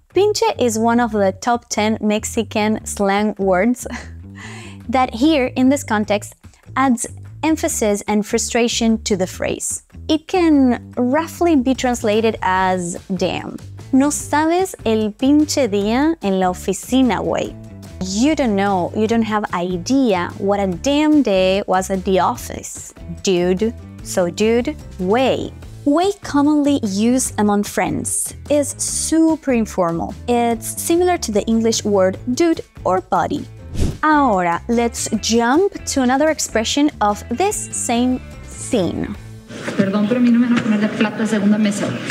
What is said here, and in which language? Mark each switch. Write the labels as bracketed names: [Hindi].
[English] Pinche is one of the top 10 Mexican slang words that here in this context adds emphasis and frustration to the phrase. It can roughly be translated as damn. [Spanish] No sabes el pinche día en la oficina, güey. [English] You don't know, you don't have idea what a damn day was at the office. Dude. So dude, way. Way commonly used among friends is super informal. It's similar to the English word dude or buddy. Ahora, let's jump to another expression of this same scene. [Spanish] Perdón, pero a mí no me van a poner de plata a segunda mesa.